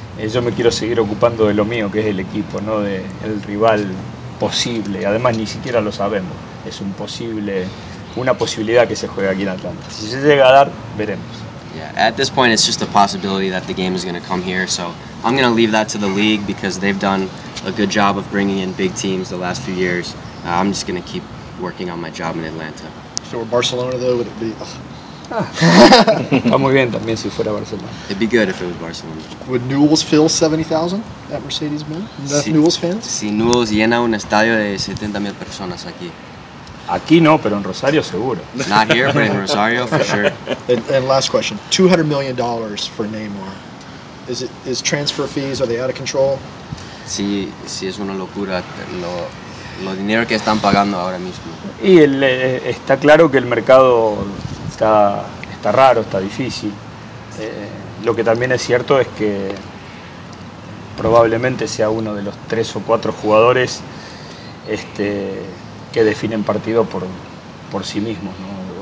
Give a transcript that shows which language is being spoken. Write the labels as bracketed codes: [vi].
[es] Yo me quiero seguir ocupando de lo mío, que es el equipo, no del rival posible. Además, ni siquiera lo sabemos. Es una posibilidad que se juega aquí en Atlanta. Si se llega a dar, veremos. [en] Yeah, at this point, it's just a possibility that the game is going to come here. So I'm going to leave that to the league because they've done a good job of bringing in big teams the last few years. I'm just going to keep working on my job in Atlanta. If it were Barcelona, though, would it be? [es] Está muy bien también si fuera Barcelona. [en] It'd be good if it was Barcelona. Would Newell's fill 70,000 at Mercedes-Benz? Si, Newell's fans? [es] Si Newell's llena un estadio de 70,000 personas aquí. Aquí no, pero en Rosario seguro. [en] Not here, but in Rosario for sure. And last question, $200 million for Neymar. Is transfer fees, are they out of control? [es] Sí, sí, es una locura lo dinero que están pagando ahora mismo. Y está claro que el mercado está raro, está difícil. Lo que también es cierto es que probablemente sea uno de los tres o cuatro jugadores que definen partido por sí mismos, ¿no?